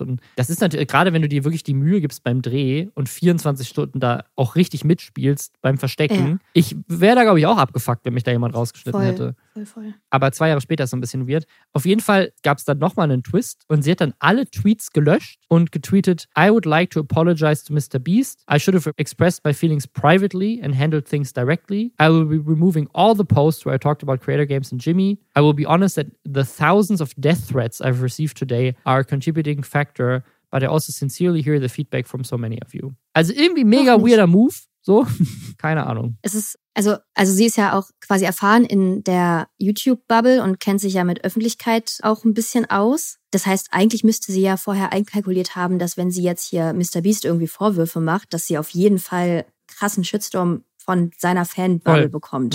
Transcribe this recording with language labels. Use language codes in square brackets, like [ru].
[de] Und das ist natürlich, gerade wenn du dir wirklich die Mühe gibst beim Dreh und 24 Stunden und da auch richtig mitspielst beim Verstecken. Ja. Ich wäre da, glaube ich, auch abgefuckt, wenn mich da jemand rausgeschnitten hätte. Voll. Aber 2 Jahre später ist so ein bisschen weird. Auf jeden Fall gab es dann nochmal einen Twist und sie hat dann alle Tweets gelöscht und getweetet, [en] I would like to apologize to Mr. Beast. I should have expressed my feelings privately and handled things directly. I will be removing all the posts where I talked about Creator Games and Jimmy. I will be honest that the thousands of death threats I've received today are a contributing factor, but I also sincerely hear the feedback from so many of you. [de] Also irgendwie mega weirder Move, so. Keine Ahnung. Es ist, also sie ist ja auch quasi erfahren in der YouTube-Bubble und kennt sich ja mit Öffentlichkeit auch ein bisschen aus. Das heißt, eigentlich müsste sie ja vorher einkalkuliert haben, dass wenn sie jetzt hier Mr. Beast irgendwie Vorwürfe macht, dass sie auf jeden Fall krassen Shitstorm von seiner Fan-Bubble bekommt.